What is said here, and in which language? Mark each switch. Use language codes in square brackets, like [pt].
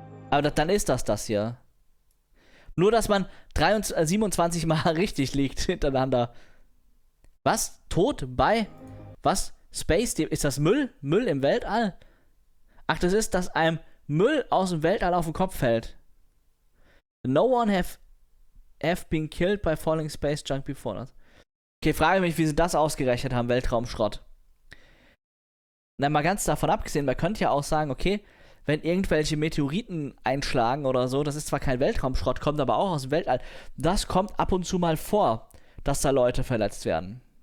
[de] Aber dann ist das hier. Nur, dass man 27 Mal richtig liegt hintereinander. Was? Tod? Bei? Was? Space, ist das Müll? Müll im Weltall? Ach, das ist, dass einem Müll aus dem Weltall auf den Kopf fällt. [en] No one have been killed by falling space junk before. [de] Okay, frage mich, wie sie das ausgerechnet haben, Weltraumschrott. Na, mal ganz davon abgesehen, man könnte ja auch sagen, okay, wenn irgendwelche Meteoriten einschlagen oder so, das ist zwar kein Weltraumschrott, kommt aber auch aus dem Weltall. Das kommt ab und zu mal vor, dass da Leute verletzt werden.